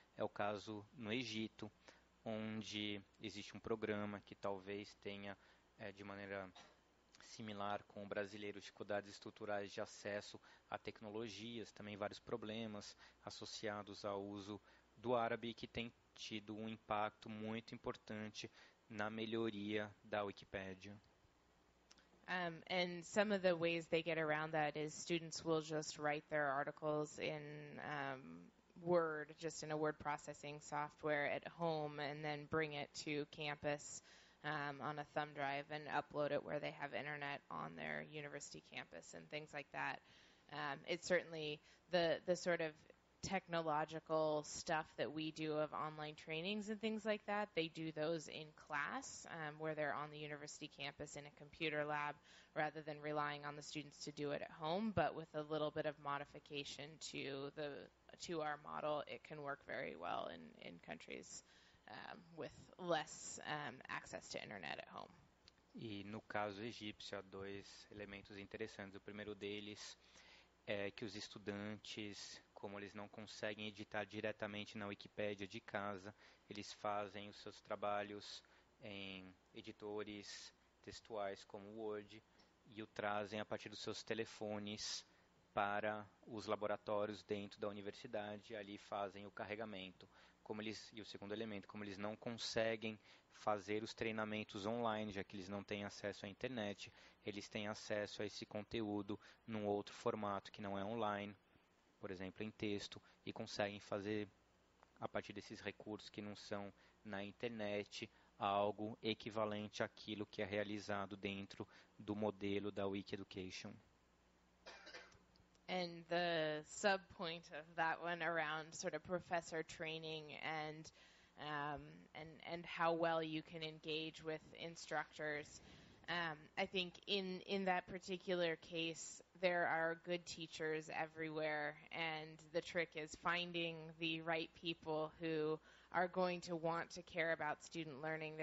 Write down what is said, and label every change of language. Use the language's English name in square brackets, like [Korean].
[Portuguese] É o caso no Egito, onde existe um programa que talvez tenha, de maneira similar com o brasileiro, dificuldades estruturais de acesso a tecnologias, também vários problemas associados ao uso do árabe, que tem tido um impacto muito importante na melhoria da Wikipédia. [English] And some of the ways they get around that is students will just write their articles in Word, just in a word processing software at home, and then bring it to campus on a thumb drive and upload it where they have internet on their university campus and things like that. It's certainly the sort of technological stuff that we do of online trainings and things like that. They do those in class where they're on the university campus in a computer lab rather than relying on the students to do it at home. But with a little bit of modification to our model, it can work very well in countries with less access to internet at home. [Portuguese] E no caso egípcio, há dois elementos interessantes. O primeiro deles é que os estudantes, como eles não conseguem editar diretamente na Wikipédia de casa, eles fazem os seus trabalhos em editores textuais como o Word e o trazem a partir dos seus telefones para os laboratórios dentro da universidade e ali fazem o carregamento. E o segundo elemento, como eles não conseguem fazer os treinamentos online, já que eles não têm acesso à internet, eles têm acesso a esse conteúdo num outro formato que não é online, por exemplo, em texto, e conseguem fazer, a partir desses recursos que não são na internet, algo equivalente àquilo que é realizado dentro do modelo da Wiki Education. [English] And the sub-point of that one around sort of professor training and how well you can engage with instructors, I think in that particular case, there are good teachers everywhere, and the trick is finding the right people who are going to want to care about student learning.